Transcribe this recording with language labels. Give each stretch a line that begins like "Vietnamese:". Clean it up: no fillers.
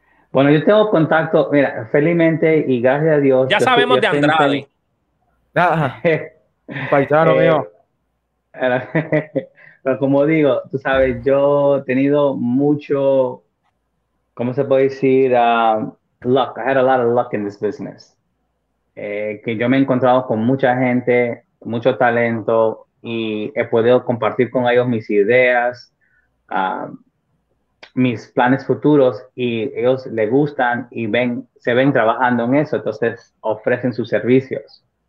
Spanish: Bueno, yo tengo contacto, mira, felizmente y gracias a Dios. Ya sabemos de Andrade. Un paisano mío. Pero como digo, tú sabes, yo he tenido mucho, ¿cómo se puede decir?
English: Luck. I had a lot of luck in this business.
Spanish: Que yo me he encontrado con mucha gente, mucho talento, y he podido compartir con ellos mis ideas, mis planes futuros y ellos le gustan y ven, se ven trabajando en eso, entonces ofrecen sus servicios.